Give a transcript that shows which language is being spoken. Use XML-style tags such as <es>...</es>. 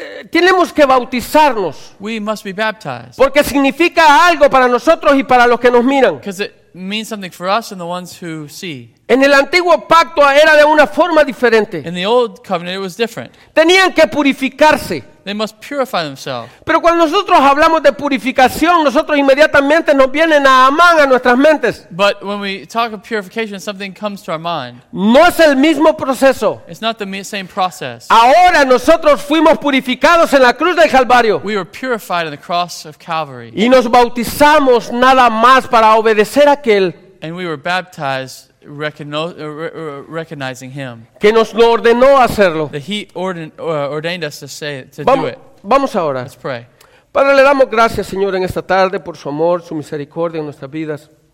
<es>Tenemos que bautizarnos.</es> <en>We must be baptized.</en> <es>Porque significa algo para nosotros y para los que nos miran.</es> <en>Means something for us and the ones who see.</en> <es>En el antiguo pacto era de una forma diferente.</es> <en>In the old covenant it was different.</en> <es>Tenían que purificarse.</es> <en>They must purify themselves.</en> <es>Pero cuando nosotros hablamos de purificación, nosotros inmediatamente nos viene Naamán a nuestras mentes.</es> <en>But when we talk of purification, something comes to our mind.</en> <es>No es el mismo proceso.</es> <en>It's not the same process.</en> <es>Ahora nosotros fuimos purificados en la cruz del Calvario.</es> <en>We were purified in the cross of Calvary.</en> <es>Y nos bautizamos nada más para obedecer a aquel.</es> <en>And we were baptized recognizing him,</en> <es>que nos lo ordenó hacerlo.</es> <en>That he ordained us to do it.</en> <es>Vamos a orar.</es> <en>Let's pray.</en> <es>Padre, le damos gracias, Señor, en esta tarde por su amor, su misericordia en nuestras vidas.</es>